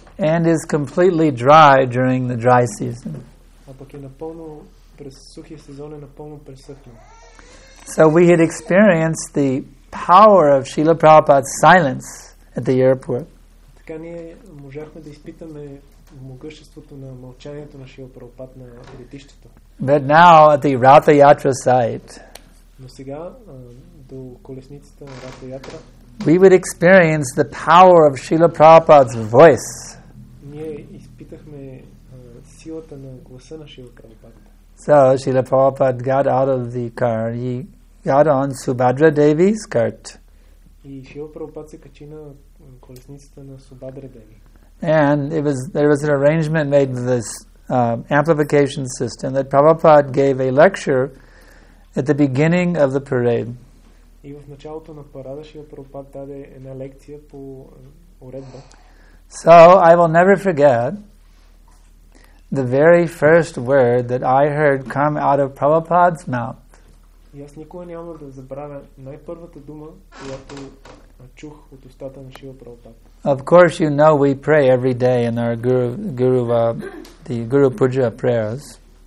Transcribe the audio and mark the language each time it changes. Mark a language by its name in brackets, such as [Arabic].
[English] And is completely dry during the dry season. [Bulgarian] А пък е напълно през сухия сезон, е напълно пресъхнал. [English] So we had experienced the power of Srila Prabhupada's silence at the airport. [Bulgarian] Така ние можахме да изпитаме могъществото на мълчанието на Шрила Прабхупад на летището. [English] But now at the Ratha Yatra site. [Bulgarian] Но сега до колесницата на Ратха Ятра. [English] We would experience the power of Srila Prabhupada's voice. [Bulgarian] Ние изпитахме силата на гласа на Шрила Прабхупад. [English] So Srila Prabhupada got out of the car. He got on Subhadra Devi's cart. [Bulgarian] И Шрила Прабхупад се качи на колесницата на Субадра Деви. [English] And there was an arrangement made with this amplification system that Prabhupada gave a lecture at the beginning of the parade. [Bulgarian] И в началото на парада Шрила Прабхупада даде една лекция по уредба. [English] So I will never forget the very first word that I heard come out of Prabhupada's mouth. [Bulgarian] И аз никога няма да забравя най-първата дума, която чух от устата на Шрила Прабхупада. [English] Of course you know we pray every day in our Guru Puja prayers.